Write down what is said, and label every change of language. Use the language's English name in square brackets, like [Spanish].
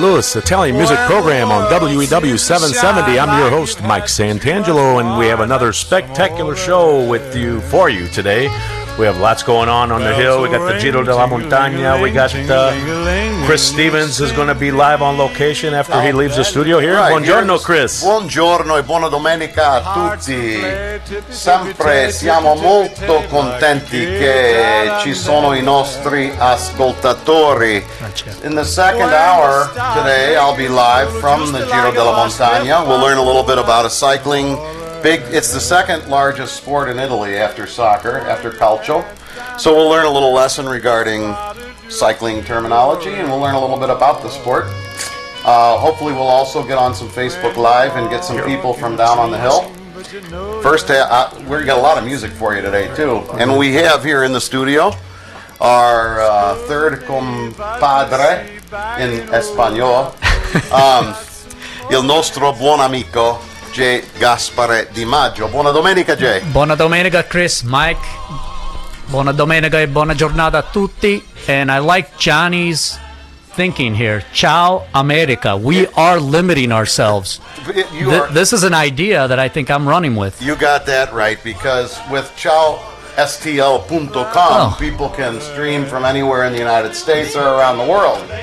[English] Louis Italian Music Program on WEW 770. I'm your host, Mike Santangelo, and we have another spectacular show with you for you today. We have lots going on the hill. We got the Giro della Montagna. We got Chris Stevens is going to be live on location after he leaves the studio here. Right. Buongiorno, Chris. [Italian] Buongiorno e buona domenica a tutti. Sempre siamo molto contenti che ci sono i nostri ascoltatori. [English] In the second hour today, I'll be live from the Giro della Montagna. We'll learn a little bit about a cycling. Big. It's the second largest sport in Italy after soccer, after calcio. So we'll learn a little lesson regarding cycling terminology, and we'll learn a little bit about the sport. Hopefully we'll also get on some Facebook Live and get some people from down on the hill. First, we've got a lot of music for you today, too. And we have here in the studio our third compadre in Espanol, [Italian] il nostro buon amico, [English] Jay Gaspare Di Maggio. [Italian] Buona domenica, [English] Jay. [Italian] Buona domenica, Chris, Mike. Buona domenica e buona giornata a tutti. [English] And I like Johnny's thinking here. Ciao, America. We are limiting ourselves. This is an idea that I think I'm running with. You got that right, because with ciaostl.com, people can stream from anywhere in the United States or around the world.